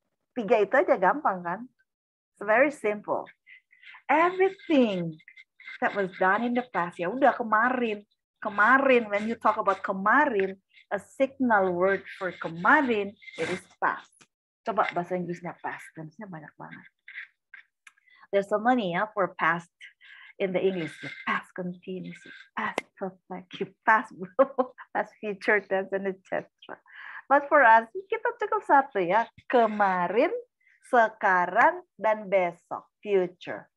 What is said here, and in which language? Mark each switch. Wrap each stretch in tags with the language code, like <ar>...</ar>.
<id>Tiga itu aja gampang kan?</id> <en>It's very simple. Everything that was done in the past,</en> <id>ya udah kemarin.</id> <en>Kemarin, when you talk about kemarin, a signal word for kemarin, it is past.</en> <id>Coba bahasa Inggrisnya past, tense-nya banyak banget.</id> <en>There's so many for past in the English. The past continuous, past perfect, past past future tense, and etc. But for us,</en> <id>kita cukup satu ya. Kemarin, sekarang, dan besok, future.</id>